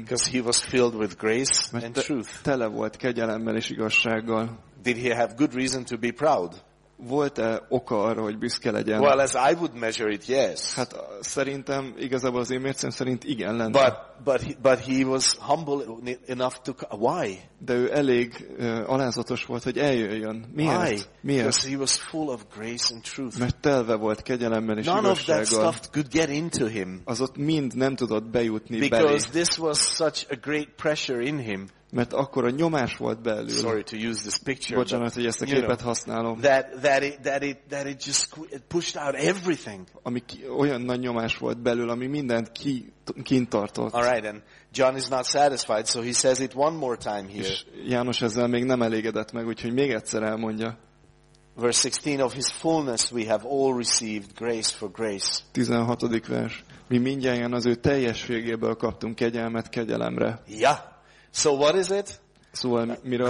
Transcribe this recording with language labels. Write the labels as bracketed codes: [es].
[en] Because he was filled with grace and truth. [hu] Tele volt kegyelemmel és igazsággal. [en] Did he have good reason to be proud? [hu] Volt-e oka arra, hogy büszke legyen? [en] Well, as I would measure it, yes. [hu] Hát szerintem, igazából az én mércém szerint igen lenne. [en] But he was humble enough to why? [hu] De ő elég alázatos volt, hogy eljöjjön. Miért? [en] Why? [hu] Miért? [en] Because he was full of grace and truth. [hu] Mert telve volt kegyelemmel és [en] none [hu] igazsággal. [en] None of that stuff could get into him. [hu] Az ott mind nem tudott bejutni [en] because [hu] belé. [en] Because this was such a great pressure in him. [hu] Mert akkor a nyomás volt belül. [en] Sorry to use this picture. [hu] Bocsánat, hogy ezt a képet használom. [en] That it just pushed out everything. [hu] Ami olyan nagy nyomás volt belül, ami mindent kint tartott. [en] All right, and John is not satisfied, so he says it one more time here. [hu] És János ezzel még nem elégedett meg, úgyhogy még egyszer elmondja. [en] Verse 16, of his fullness we have all received grace for grace. [hu] 16. vers. Mi mindjárt az ő teljességéből kaptunk kegyelmet kegyelemre. [en] Yeah. So what is it? [hu] Szóval, miről